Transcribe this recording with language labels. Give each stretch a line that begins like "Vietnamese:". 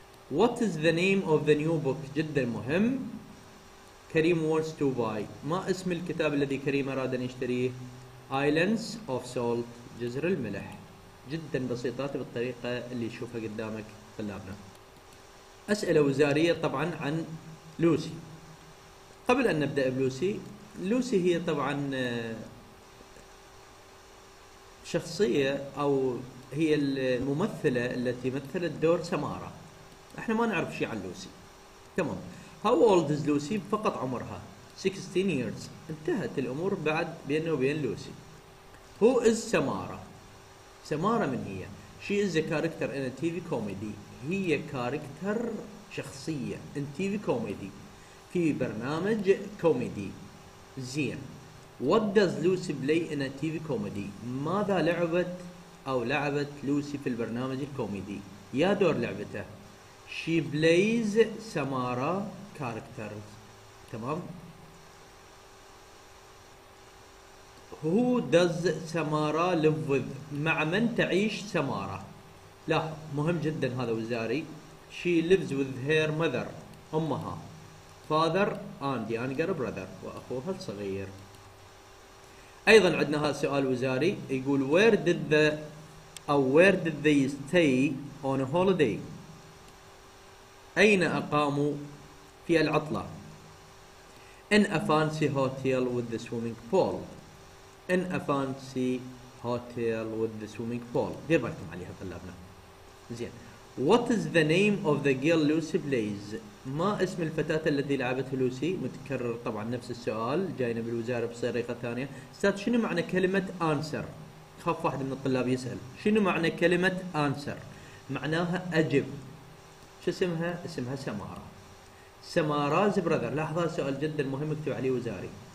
English: What is the name of the new book.
Arabic: جدا مهم.
English: Karim wants to buy.
Arabic: ما اسم الكتاب الذي كريم أراد أن يشتريه.
English: Islands of Salt
Arabic: جزر الملح. جدا بسيطات بالطريقة اللي يشوفها قدامك طلابنا. أسئلة وزارية طبعا عن لوسي. قبل أن نبدأ بلوسي لوسي هي طبعا شخصية أو هي الممثلة التي مثلت دور سمارة. احنا ما نعرف شيء عن لوسي. تمام
English: How old is Lucy.
Arabic: فقط عمرها 16 years. انتهت الأمور بعد بينه وبين لوسي.
English: Who is Samara.
Arabic: سمارة من هي.
English: She is a character in a TV comedy.
Arabic: هي كاركتر شخصية
English: in TV comedy
Arabic: في برنامج كوميدي. زين
English: What does Lucy play in a TV comedy.
Arabic: ماذا لعبت أو لعبت لوسي في البرنامج الكوميدي. يا دور لعبته.
English: She plays Samara characters.
Arabic: تمام
English: Who does Samara live with.
Arabic: مع من تعيش سمارة. لا مهم جدا هذا وزاري.
English: She lives with her mother.
Arabic: أمها.
English: Father and younger brother.
Arabic: وأخوها الصغير. أيضا عندنا هذا السؤال وزاري يقول
English: where did the or where did they stay on a holiday.
Arabic: أين أقاموا في العطلة.
English: In a fancy hotel with the swimming pool. In a fancy hotel with the swimming pool.
Arabic: دير بالكم عليها طلابنا. زين
English: What is the name of the girl Lucy plays.
Arabic: ما اسم الفتاة التي لعبتها لوسي. متكرر طبعا نفس السؤال جاينا بالوزارة بطريقة ثانية. استاذ شنو معنى كلمة answer. خاف واحد من الطلاب يسأل شنو معنى كلمة answer. معناها أجب. شو اسمها؟ اسمها سمارة. سمارز براذر، لحظة، سؤال جدا مهم اكتب عليه وزاري.